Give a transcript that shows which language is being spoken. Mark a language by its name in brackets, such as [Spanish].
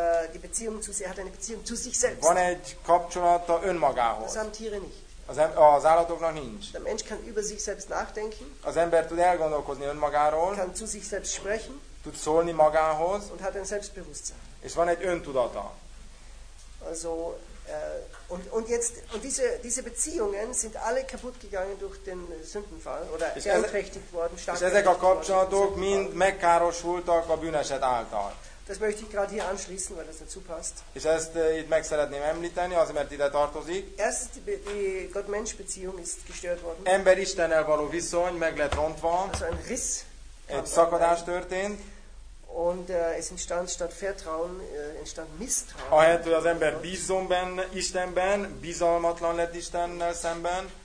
[German] Die Beziehung zu, er hat eine Beziehung zu sich selbst. [Hungarian] Van egy kapcsolata önmagához. [German] Das haben Tiere nicht. [Hungarian] Az állatoknak nincs. [German] Der Mensch kann über sich selbst nachdenken. [Hungarian] Az ember tud elgondolkozni önmagáról. [German] Kann zu sich selbst sprechen. [Hungarian] Tud szólni magához. [German] Und hat ein Selbstbewusstsein. [Hungarian] És van egy öntudata. [German] Also und jetzt und diese Beziehungen sind alle kaputt gegangen durch den Sündenfall oder beeinträchtigt worden, stark. [Hungarian] És ezek a kapcsolatok mind megkárosultak a bűneset által. [German] Das möchte ich gerade hier anschließen, weil das dazu passt. [Hungarian] És ezt itt meg szeretném említeni, azért, mert ide tartozik. [German] Erstens, die Gott-Mensch Beziehung ist gestört worden. [Hungarian] Ember Istennel való viszony meg lett rontva. [German] Also ein Riss. [Hungarian] Egy szakadás történt. [German] Und es entstand statt Vertrauen entstand Misstrauen. [Hungarian] Ahelyett, hogy az ember bízzon benne Istenben, bizalmatlan lett Istennel szemben.